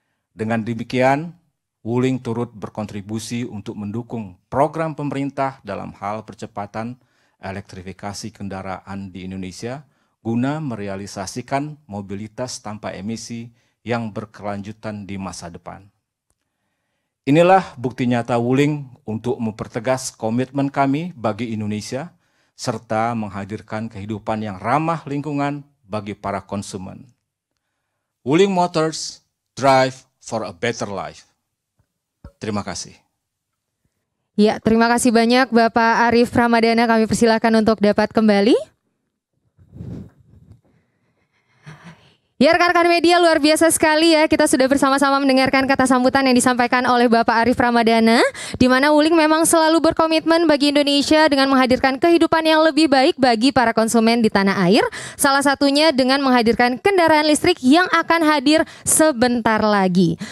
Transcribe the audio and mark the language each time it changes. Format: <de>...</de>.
<id>Dengan demikian, Wuling turut berkontribusi untuk mendukung program pemerintah dalam hal percepatan elektrifikasi kendaraan di Indonesia guna merealisasikan mobilitas tanpa emisi yang berkelanjutan di masa depan. Inilah bukti nyata Wuling untuk mempertegas komitmen kami bagi Indonesia serta menghadirkan kehidupan yang ramah lingkungan bagi para konsumen.</id> <en>Wuling Motors, drive for a better life.</en> <id>Terima kasih. Ya, terima kasih banyak Bapak Arief Ramadana. Kami persilakan untuk dapat kembali. Ya rekan-rekan media, luar biasa sekali ya, kita sudah bersama-sama mendengarkan kata sambutan yang disampaikan oleh Bapak Arief Ramadana, di mana Wuling memang selalu berkomitmen bagi Indonesia dengan menghadirkan kehidupan yang lebih baik bagi para konsumen di tanah air, salah satunya dengan menghadirkan kendaraan listrik yang akan hadir sebentar lagi.</id>